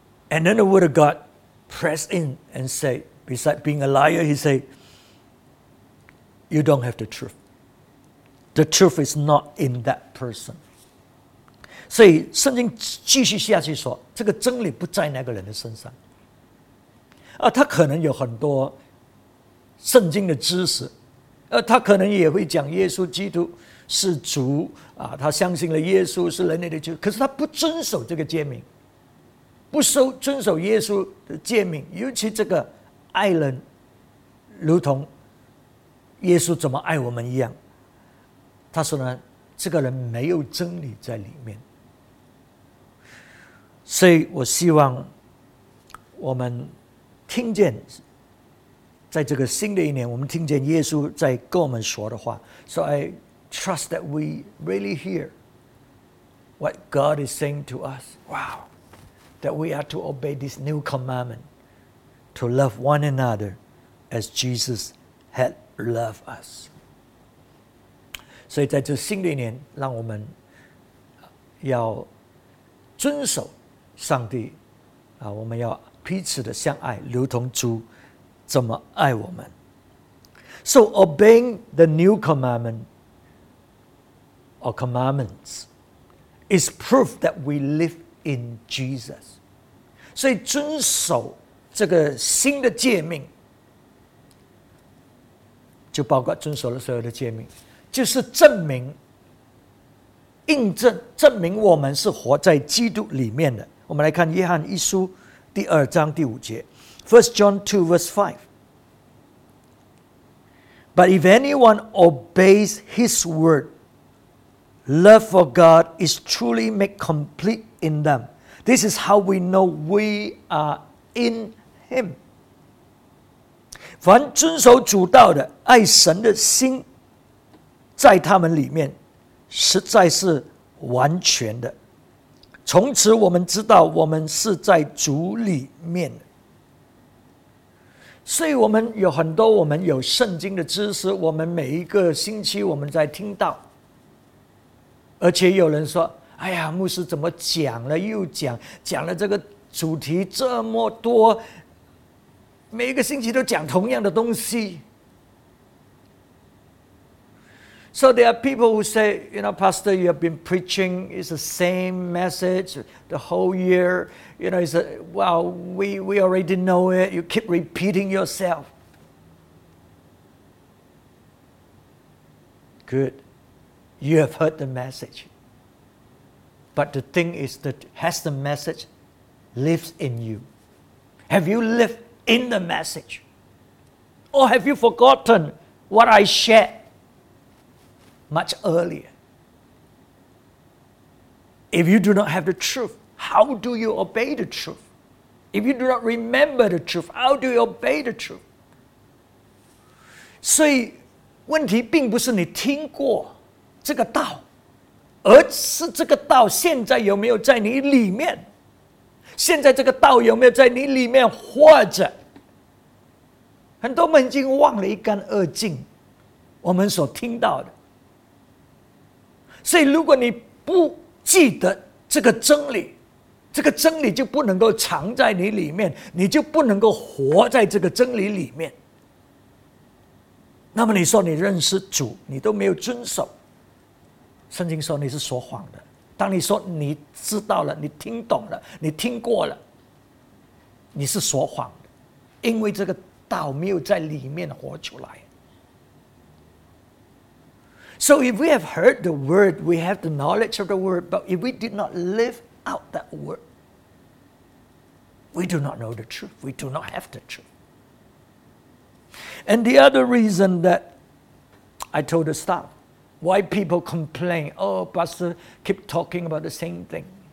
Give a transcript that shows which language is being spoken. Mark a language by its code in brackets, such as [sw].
[en] And then the word of God pressed in and said, besides being a liar, he said, you don't have the truth. The truth is not in that person. [zh] 所以圣经继续下去说，这个真理不在那个人的身上。他可能有很多圣经的知识，他可能也会讲耶稣基督是主啊，他相信了耶稣是人类的救，可是他不遵守这个诫命，不守遵守耶稣的诫命，尤其这个爱人如同耶稣怎么爱我们一样，他说呢，这个人没有真理在里面。所以我希望我们听见，在这个新的一年，我们听见耶稣在跟我们说的话，说哎。 [en] Trust that we really hear what God is saying to us. Wow, that we are to obey this new commandment to love one another as Jesus had loved us. [zh] 所以在这新的一年，让我们要遵守上帝、啊、我们要彼此的相爱，如同主怎么爱我们。 [en] So obeying the new commandment or commandments is proof that we live in Jesus. [zh] 所以遵守这个新的诫命就包括遵守了所有的诫命，就是证明、印证、证明我们是活在基督里面的。我们来看约翰一书第二章第五节 [en] First John 2 verse 5 But if anyone obeys his word, love for God is truly made complete in them. This is how we know we are in him. [zh] 凡遵守主道的爱神的心在他们里面实在是完全的，从此我们知道我们是在主里面。所以我们有很多，我们有圣经的知识，我们每一个星期我们在听到，而且有人说哎呀牧师怎么讲了又讲，讲了这个主题这么多，每一个星期都讲同样的东西。 [en] So there are people who say, you know, Pastor, you have been preaching, it's the same message the whole year. You know, it's a, well, we already know it. You keep repeating yourself. Good. You have heard the message. But the thing is that has the message lives in you? Have you lived? In the message, or have you forgotten what I shared much earlier? If you do not have the truth, how do you obey the truth? If you do not remember the truth, how do you obey the truth? [zh] 所以问题并不是你听过这个道，而是这个道现在有没有在你里面？现在这个道有没有在你里面？或者很多们已经忘了一干二净我们所听到的。所以如果你不记得这个真理，这个真理就不能够藏在你里面，你就不能够活在这个真理里面。那么你说你认识主你都没有遵守，圣经说你是说谎的。当你说你知道了，你听懂了，你听过了，你是说谎的，因为这个道没有在里面活出来。 [en] So if we have heard the word, we have the knowledge of the word, but if we did not live out that word, we do not know the truth. We do not have the truth. And the other reason that I told the staff, why people complain, oh, Pastor, keep talking about the same thing.